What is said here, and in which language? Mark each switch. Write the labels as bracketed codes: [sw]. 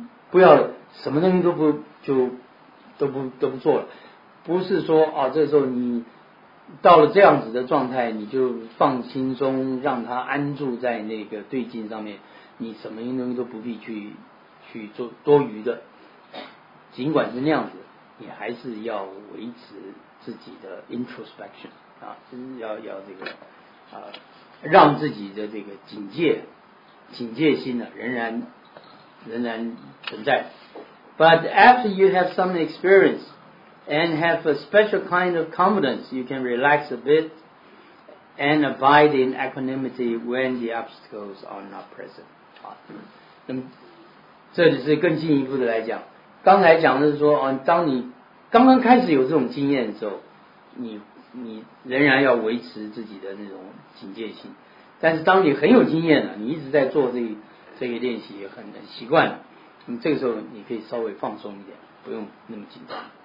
[zh] 不要什么东西都不做了，不是说啊，这时候你到了这样子的状态，你就放轻松，让它安住在那个对境上面，你什么东西都不必去做多余的，尽管是那样子，你还是要维持自己的 introspection 啊，要这个啊，让自己的这个警戒心呢、啊、仍然存在。 [en] But after you have some experience and have a special kind of confidence, you can relax a bit and abide in equanimity when the obstacles are not present. [zh] 啊，这就是更进一步的来讲，刚才讲的是说，当你刚刚开始有这种经验的时候，你仍然要维持自己的那种警戒心。但是当你很有经验了，你一直在做这个练习，很习惯了，这个时候你可以稍微放松一点，不用那么紧张。